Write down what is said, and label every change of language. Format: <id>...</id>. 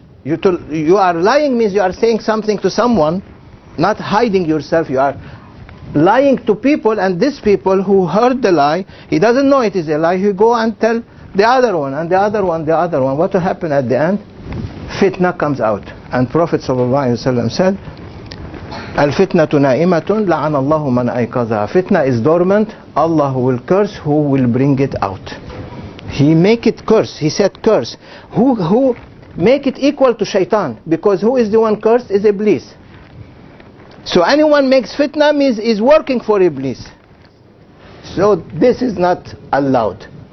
<en>You are lying means you are saying something to someone, not hiding yourself. You are lying to people, and these people who heard the lie, he doesn't know it is a lie, he go and tell the other one, and the other one, the other one. What will happen at the end? Fitna comes out. And Prophet ﷺ said,</en> <ar>"الفتنه نائمه لعن الله من ايقظها."</ar> <en>Fitna is dormant. Allah will curse who will bring it out. He make it curse. He said curse. Who make it equal to shaitan? Because who is the one cursed? Is Iblis. So anyone makes fitna means is working for Iblis. So this is not allowed.</en>